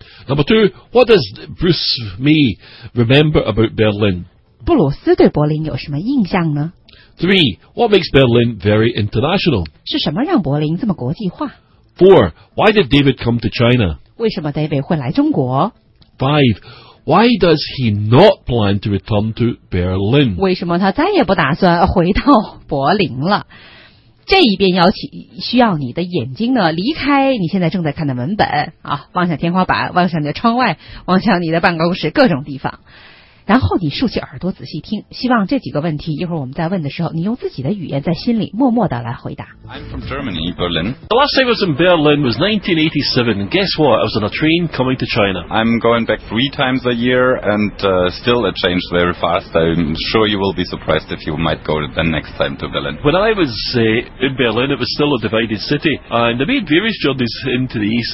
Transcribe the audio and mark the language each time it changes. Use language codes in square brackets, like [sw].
[en] Number two, what does Bruce May remember about Berlin? [zh] 布鲁斯对柏林有什么印象呢？ [en] Three, what makes Berlin very international? [zh] 是什么让柏林这么国际化？ [en] Four, why did David come to China? [zh] 为什么 David 会来中国？ [en] Five, why does he not plan to return to Berlin? [zh] 为什么他再也不打算回到柏林了？这一边要需要你的眼睛呢，离开你现在正在看的文本啊，望向天花板，望向你的窗外，望向你的办公室，各种地方。然后你竖起耳朵仔细听，希望这几个问题一会儿我们在问的时候，你用自己的语言在心里默默的来回答。 [en] I'm from Germany, Berlin. The last time I was in Berlin was 1987. And guess what? I was on a train coming to China. I'm going back 3 times a year, and still it changed very fast. I'm sure you will be surprised if you might go the next time to Berlin. When I was in Berlin, it was still a divided city, and I made various journeys into the east.